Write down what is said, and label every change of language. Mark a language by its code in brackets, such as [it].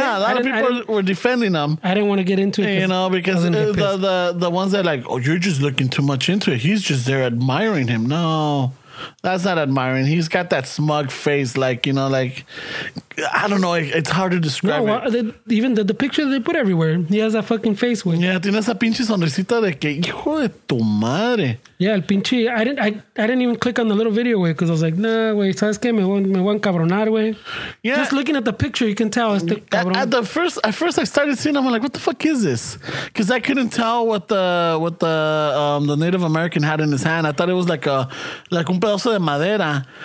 [en] Yeah, a lot of people were defending him. I didn't want to get into it. You know, because the ones that are like, oh, you're just looking too much into it. He's just there admiring him. No, that's not admiring. He's got that smug face, like, you know, like, I don't know. It's hard to describe the picture they put everywhere. He has that fucking face with. [es] Yeah, tiene esa pinche sonrisita de que hijo de tu madre. Yeah, el pinche. [en] I didn't even click on the little video, way, because I was like, [es] nah, güey, ¿sabes qué? Me voy a encabronar, güey. [en] Yeah. Just looking at the picture, you can tell. [es] Este cabrón. [en] At first I started seeing, I'm like, what the fuck is this? Because I couldn't tell what the Native American had in his hand. I thought it was like [es] un pedazo de madera.